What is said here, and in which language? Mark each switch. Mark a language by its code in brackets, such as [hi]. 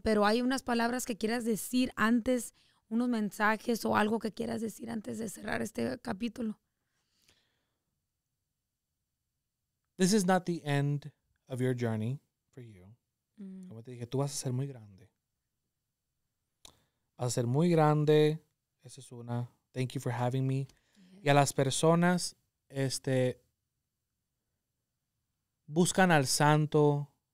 [es] Pero hay unas palabras que quieras decir antes, unos mensajes o algo que quieras decir antes de cerrar este capítulo. [en] This is not the end of your journey for you. Mm. [es] Como te dije, tú vas a ser muy grande. Vas a ser muy grande. Esa es una. [en] Thank you for having me. [es] Yeah. Y a las personas, buscan al santo.